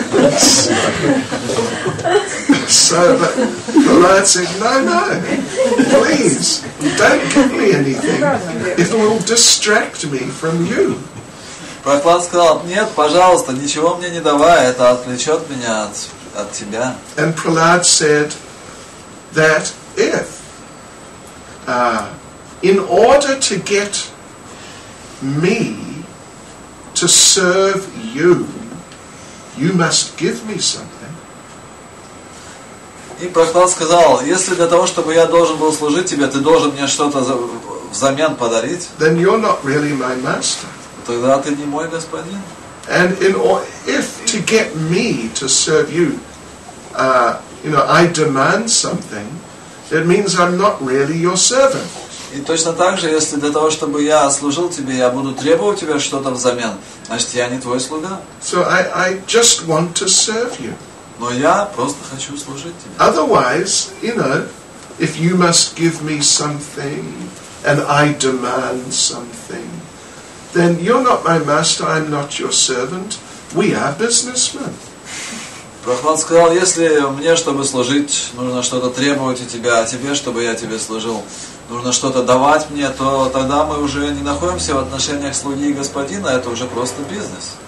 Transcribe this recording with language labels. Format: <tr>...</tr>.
<en>So, but the Lord said, "No, no, please, don't give me anything. It will distract me from you."</en> <ru>Прохлад сказал: "Нет, пожалуйста, ничего мне не давай, это отвлечет меня от тебя."</ru> <en>And Prahlad said that if, in order to get me to serve you, you must give me something.</en> <ru>И Прохлад сказал: "Если для того, чтобы я должен был служить тебе, ты должен мне что-то взамен подарить."</ru> <en>Then you're not really my master.</en> <ru>Тогда ты не мой господин.</ru> <en>And in all, if to get me to serve you, you know, I demand something, it means I'm not really your servant.</en> <ru>И точно так же, если для того, чтобы я служил тебе, я буду требовать у тебя что-то взамен, значит, я не твой слуга.</ru> <en>So I just want to serve you.</en> <ru>Но я просто хочу служить тебе.</ru> <en>Otherwise, you know, if you must give me something and I demand something, then you're not my master, I'm not your servant. We are businessmen.</en> <ru>Прохлад сказал, если мне, чтобы служить, нужно что-то требовать у тебя, а тебе, чтобы я тебе служил, нужно что-то давать мне, то тогда мы уже не находимся в отношениях слуги и господина, это уже просто бизнес.</ru>